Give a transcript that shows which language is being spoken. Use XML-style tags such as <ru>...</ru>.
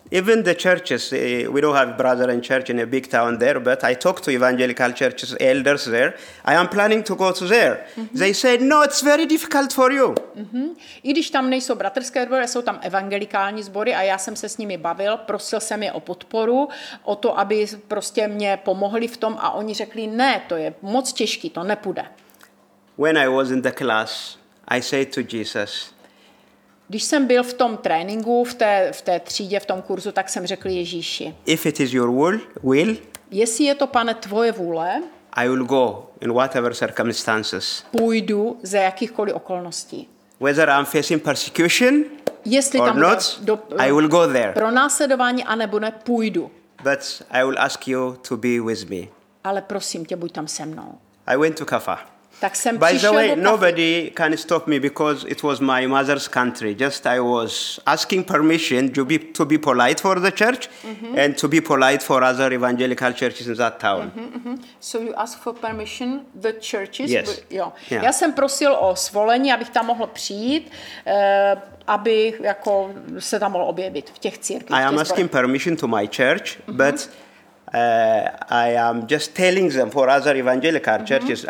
<en>Even the churches, we don't have brother and church in a big town there, but I talked to evangelical churches, elders there. I am planning to go to there. Mm-hmm. They said, no, it's very difficult for you. Mm-hmm.</en> <cs>I když tam nejsou bratrské sbory, jsou tam evangelikální sbory a já jsem se s nimi bavil, prosil jsem je o podporu, o to, aby prostě mě pomohli v tom a oni řekli, ne, to je moc těžký, to nepůjde.</cs> <en>When I was in the class, I said to Jesus,</en> <cs>když jsem byl v tom tréninku, v té třídě, v tom kurzu, tak jsem řekl Ježíši.</cs> <en>If it is your will,</en> <cs>jestli je to, Pane, tvoje vůle,</cs> <en>I will go in whatever circumstances.</en> <cs>Půjdu za jakýchkoliv okolností.</cs> <en>Whether I'm facing persecution</en> <cs>jestli</cs> <en>or</en> <cs>tam</cs> <en>not, I will go there.</en> <cs>Pro následování anebo ne, půjdu.</cs> <en>But I will ask you to be with me.</en> <cs>Ale prosím tě, buď tam se mnou.</cs> <en>I went to Kafa.</en> <cs>Tak jsem</cs> <en>by the way, nobody can stop me because it was my mother's country. Just I was asking permission to be polite for the church and to be polite for other evangelical churches in that town. Mm-hmm, mm-hmm. So you ask for permission the churches? Yes. Yeah.</en> <cs>Já jsem prosil o svolení, abych tam mohl přijít, aby jako se tam mohl objevit v těch církvích.</cs> <en>I am asking zborech. Permission to my church, but I am just telling them for other evangelical churches.</en>